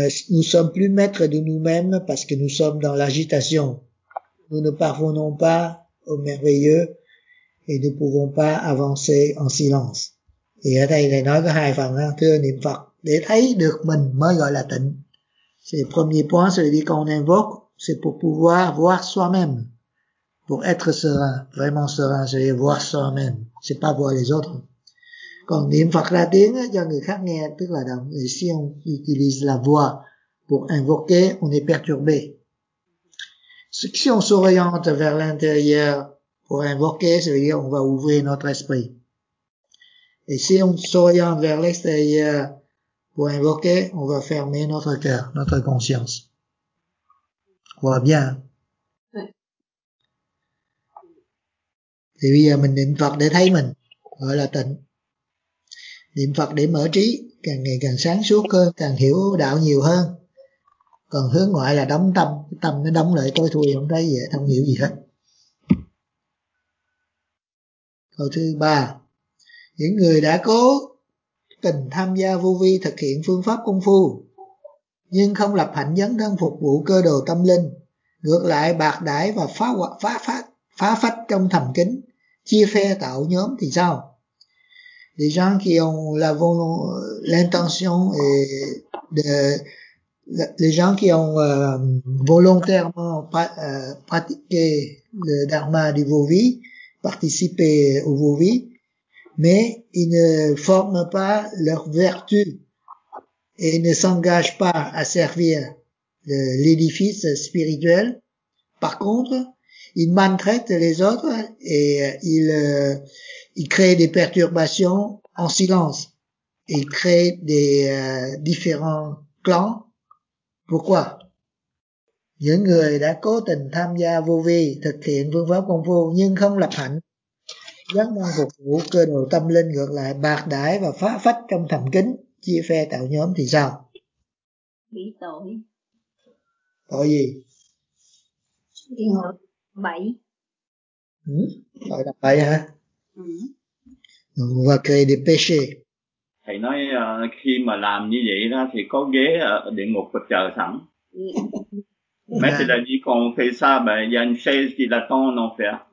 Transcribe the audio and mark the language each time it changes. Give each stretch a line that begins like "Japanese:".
French: Nous sommes plus maîtres de nous-mêmes parce que nous sommes dans l'agitation. Nous ne parvenons pas au merveilleux et nous ne pouvons pas avancer en silence. Et là, il y a deux parties.
Vietnamese: Thưa niệm Phật, để thấy được mình mới gọi là tịnh.
French: C'est le premier point, c'est-à-dire qu'on invoque, c'est pour pouvoir voir soi-même, pour être serein, vraiment serein, c'est-à-dire voir soi-même, c'est pas voir les autres.
Vietnamese: Còn niệm Phật ra tiếng cho người khác nghe, tức là động.
French: Et si on utilise la voix pour invoquer, on est perturbé. Si on s'oriente vers l'intérieur pour invoquer, ça veut dire on va ouvrir notre esprit. Et si on s'oriente vers l'extérieur pour invoquer, on va fermer notre cœur, notre conscience. On voit bien.
Vietnamese: Thì bây giờ mình niệm Phật để thấy mình, gọi là tịnh. Niệm Phật để mở trí, càng ngày càng sáng suốt hơn, càng hiểu đạo nhiều hơn. Còn hướng ngoại là đóng tâm, cái tâm nó đóng lại tôi thui, không thấy gì, không hiểu gì hết. Câu thứ ba, những người đã cố tình tham gia vô vi thực hiện phương pháp công phu, nhưng không lập hạnh dấn thân phục vụ cơ đồ tâm linh, ngược lại bạc đãi và phá phách trong thầm kín, chia phe tạo nhóm thì sao?
French: Les gens qui ont la l'intention et de les gens qui ont volontairement pratiqué le dharma du Vovi, participé au Vovi, mais ils ne forment pas leur vertu et ne s'engagent pas à servir l'édifice spirituel. Par contre, ils maltraitent les autres et ils créent des perturbations en silence. Ils créent des différents clans. Pourquoi?
Vietnamese: Những người đã cố tình tham gia vô vi, thực hiện phương pháp công phu, nhưng không lập hạnh, dấn thân phục vụ cơ đồ tâm linh, ngược lại bạc đãi và phá phách trong thầm kín, chia phe tạo nhóm thì sao? Bị tội. Tội gì? Bảy. Tội là bảy hả? Và cây đi pêche. Thầy nói khi mà làm như vậy đó thì có ghế ở địa ngục có chờ sẵn.
French: Mais c'est la vie qu'on fait ça, ben il y a une chaise qui l'attend en enfer.